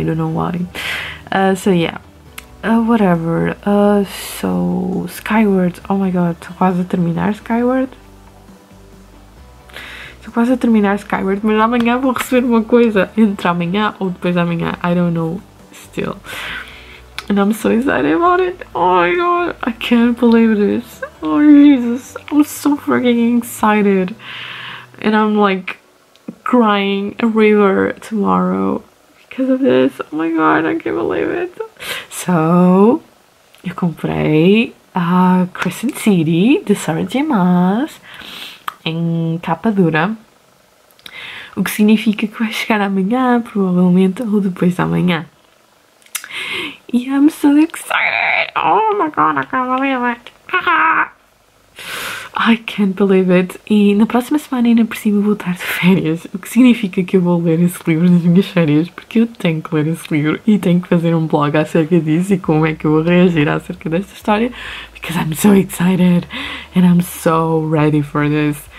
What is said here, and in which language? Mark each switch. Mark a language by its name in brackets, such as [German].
[English] I don't know why. So yeah. Whatever. [Portuguese] So, Skyward. Oh my god, estou quase a terminar Skyward. Estou quase a terminar Skyward, mas amanhã vou receber uma coisa. Entre amanhã ou depois de amanhã. [English] I don't know. Still. And I'm so excited about it. Oh my god, I can't believe this. Oh Jesus, I'm so freaking excited. And I'm like crying a river tomorrow because of this. Oh my god, I can't believe it. [Portuguese] So, eu comprei a Crescent City de Sarah J. Maas em capa dura. O que significa que vai chegar amanhã, provavelmente, ou depois de amanhã. [English] E I'm so excited! Oh my god, I can't believe it! I can't believe it! [Portuguese] E na próxima semana ainda por cima vou estar de férias, o que significa que eu vou ler esse livro nas minhas férias, porque eu tenho que ler esse livro e tenho que fazer um blog acerca disso e como é que eu vou reagir acerca desta história, because I'm so excited and I'm so ready for this.